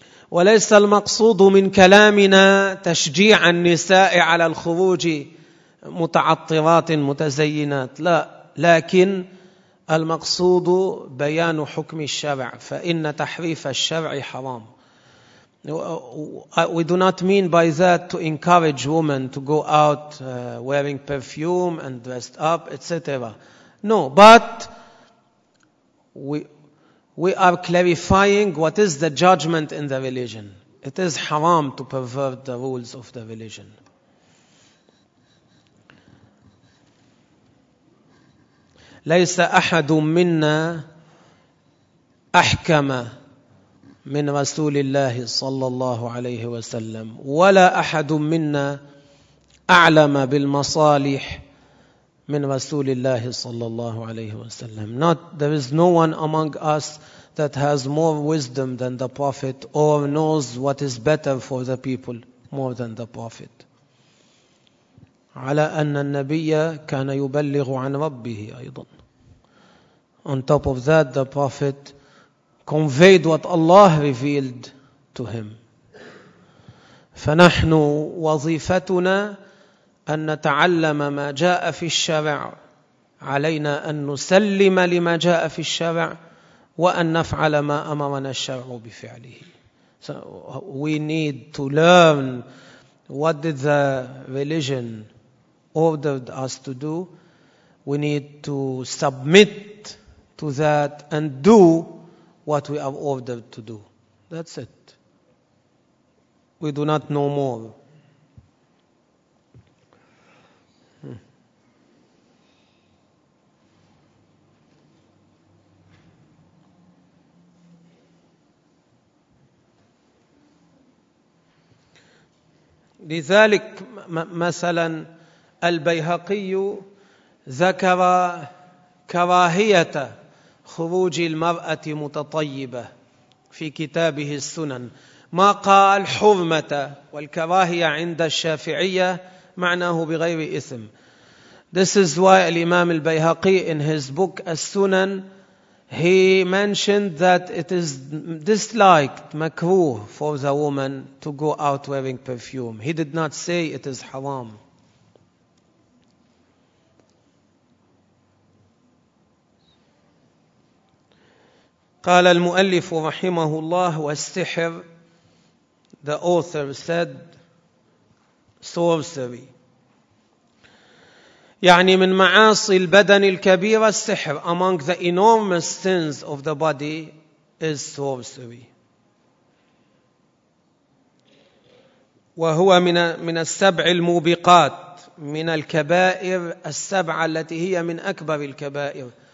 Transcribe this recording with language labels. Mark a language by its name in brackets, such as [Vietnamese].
[Arabic] وليس المقصود من كلامنا تشجيع النساء على الخروج متعطرات متزينات لا لكن المقصود بيان حكم الشرع فإن تحريف الشرع حرام [English] We do not mean by that to encourage women to go out wearing perfume and dressed up etc. No, but We are clarifying what is the judgment in the religion. It is haram to pervert the rules of the religion. [Arabic] ليس أحد منا أحكم من رسول الله صلى الله عليه وسلم ولا أحد منا أعلم بالمصالح من رسول الله صلى الله عليه وسلم. [English] Not there is no one among us that has more wisdom than the Prophet or knows what is better for the people more than the Prophet. [Arabic] على أن النبي كان يبلغ عن ربه أيضا. [English] On top of that, the Prophet conveyed what Allah revealed to him. [Arabic] فنحن وظيفتنا أن نتعلم ما جاء في الشرع. علينا أن نسلم لما جاء في الشرع وأن نفعل ما أمرنا الشرع بفعله. [English] So we need to learn what did the religion ordered us to do. We need to submit to that and do what we are ordered to do. That's it. We do not know more. [Arabic] لذلك مثلا البيهقي ذكر كراهية خروج المرأة متطيبة في كتابه السنن، ما قال حرمة، والكراهية عند الشافعية معناه بغير إثم. [English] This is why الإمام البيهقي in his book السنن he mentioned that it is disliked, makruh for the woman to go out wearing perfume. He did not say it is haram. [Arabic] قال المؤلف رحمه الله والسحر. [English] The author said sorcery. [Arabic] يعني من معاصي البدن الكبيرة السحر. [English] Among the enormous sins of the body is sorcery. [Arabic] وهو من السبع الموبقات، من الكبائر السبعة التي هي من أكبر الكبائر.